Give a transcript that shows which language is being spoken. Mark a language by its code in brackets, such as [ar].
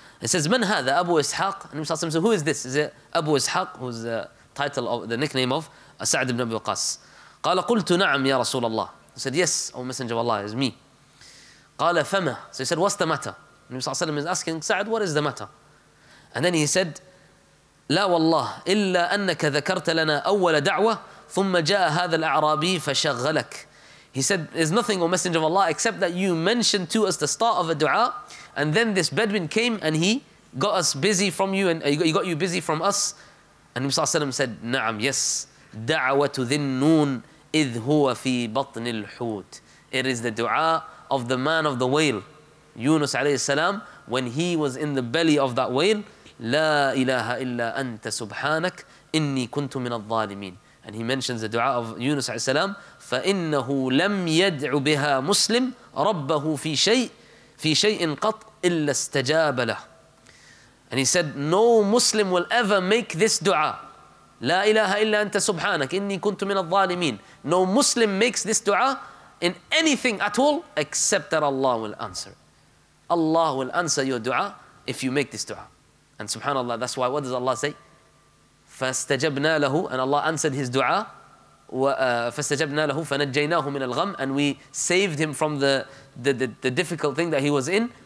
[en] He says, [ar] "Man hadha Abu Ishaq?" [en] Nabi sallallahu alaihi wasallam says, "Who is this? Is it Abu Ishaq, who's the title of the nickname of Sa'd ibn Waqqas?" [ar] قَالَ قُلْتُ نَعَمْ يَا رَسُولَ اللَّهِ. [en] He said, "Yes, O Messenger of Allah, it's me." [ar] قَالَ فَمَا. [en] So he said, "What's the matter?" Nabi sallallahu alaihi wasallam is asking Sa'd, "What is the matter?" And then he said, [ar] لا والله إلا أنك ذكرت لنا أول دعوة ثم جاء هذا الأعرابي فشغلك. [en] He said, there's nothing, O Messenger of Allah, except that you mentioned to us the start of a dua, and then this Bedouin came and he got us busy from you and he got you busy from us? And Nabi sallallahu alayhi wa sallam said, na'am, yes. [ar] Da'awatu dhinnun idh huwa fi batni al-hut. [en] It is the dua of the man of the whale, Yunus alayhi salam, when he was in the belly of that whale. [ar] La ilaha illa anta subhanak inni kuntu min al-zalimin. [en] And he mentions the dua of Yunus alayhi salam. [ar] فإنه لم يدع بها مسلم ربه في شيء في شيء قط إلا استجاب له. [en] And he said, no Muslim will ever make this dua. [ar] لا إله إلا أنت سبحانك إني كنت من الظالمين. [en] No Muslim makes this dua in anything at all except that Allah will answer. Allah will answer your dua if you make this dua. And subhanAllah, that's why, what does Allah say? [ar] فاستجبنا له, [en] and Allah answered his dua. [ar] فاستجبنا له فنجيناه من الغم, [en] and we saved him from the difficult thing that he was in.